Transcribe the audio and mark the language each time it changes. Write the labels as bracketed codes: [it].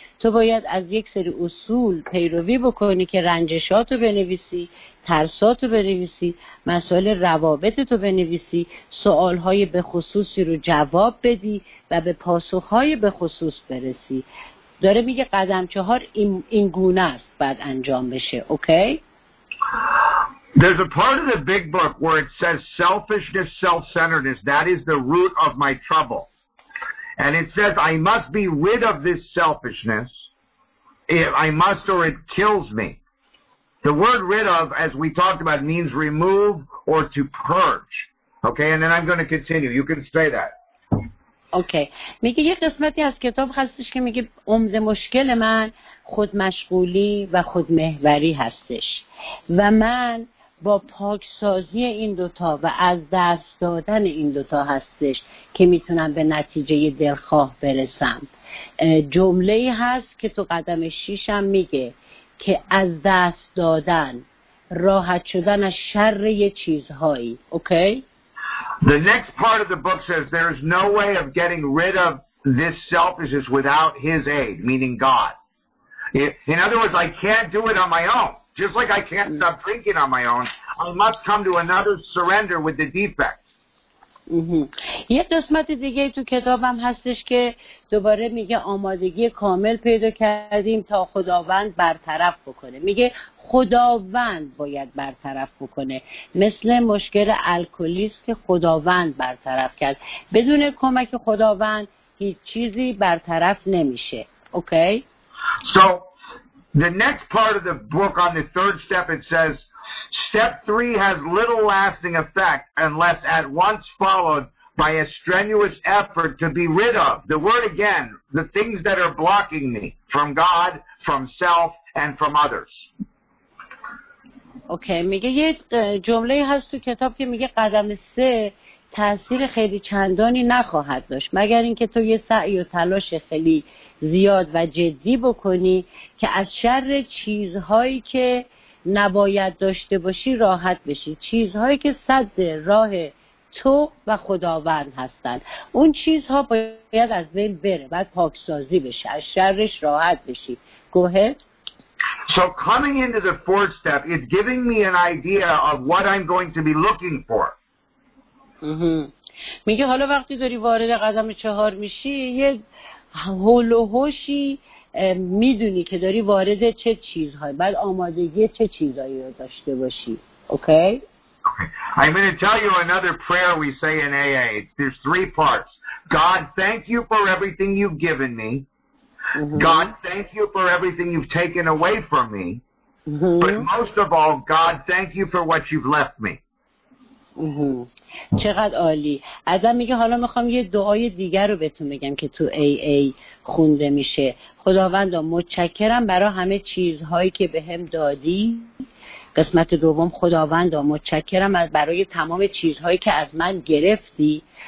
[fa] تو باید از یک سری اصول پیروی بکنی که رنجشاتو بنویسی، ترساتو بنویسی، مسائل روابطتو بنویسی، سوالهای به خصوصی رو جواب بدی و به پاسخهای به خصوص برسی. داره میگه قدم چهار این گونه است بعد انجام بشه. [en] Okay? There's a part of the big book where it says selfishness, self-centeredness, that is the root of my trouble. And it says I must be rid of this selfishness, I must or it kills me. The word rid of, as we talked about, means remove or to purge. Okay, and then I'm going to continue. You can say that. Okay. [fa] میگه یه قسمتی از کتاب هستش که میگه عمده مشکل من خودمشغولی و خودمحوری هستش و من با پاکسازی این دوتا و از دست دادن این دوتا هستش که میتونم به نتیجه دلخواه برسم. جمله هست که تو قدم شیشم میگه که از دست دادن راحت شدن از شر یه چیزهایی. [en] Okay? The next part of the book says there is no way of getting rid of this selfishness without his aid, meaning God. In other words, I can't do it on my own. Just like I can't stop drinking on my own, I must come to another surrender with the defect. [fa] یه قسمت دیگه تو کتابم هستش که دوباره میگه آمادگی کامل پیدا کردیم تا خداوند برطرف بکنه. میگه خداوند باید برطرف بکنه، مثل مشکل الکلیست که خداوند برطرف کرد. بدون کمک خداوند هیچ چیزی برطرف نمیشه. [en] Okay? So the next part of the book on the third step it says Step 3 has little lasting effect unless at once followed by a strenuous effort to be rid of, the word again, the things that are blocking me from God, from self, and from others. [fa] Okay, میگه یه جمله هست تو کتاب که میگه قدم 3 تأثیر خیلی چندانی نخواهد داشت مگر اینکه تو یه سعی و تلاش خیلی زیاد و جدی بکنی که از شر چیزهایی که نباید داشته باشی راحت بشی، چیزهایی که سد راه تو و خداوند هستن. اون چیزها باید از بین بره، باید پاکسازی بشه، از شرش راحت بشی. [en] Go ahead. So coming into the fourth step is giving me an idea of what I'm going to be looking for. [fa] میگه حالا وقتی داری وارد قدم چهار میشی یه هول و هوشی میدونی که داری وارد چه چیزهای بعد آمادگی چه چیزهایی رو داشته باشی. [en] Okay? Okay. I'm going to tell you another prayer we say in AA. There's three parts. God, thank you for everything you've given me. God, thank you for everything you've taken away from me. But most of all, God, thank you for what you've left me. [fa] چقدر عالی. آدم میگه حالا میخوام یه دعای دیگر رو بهتون بگم که تو AA خونده میشه. خداوند متشکرم برای همه چیزهایی که بهم دادی. قسمت دوم، خداوند متشکرم برای تمام چیزهایی که از من گرفتی.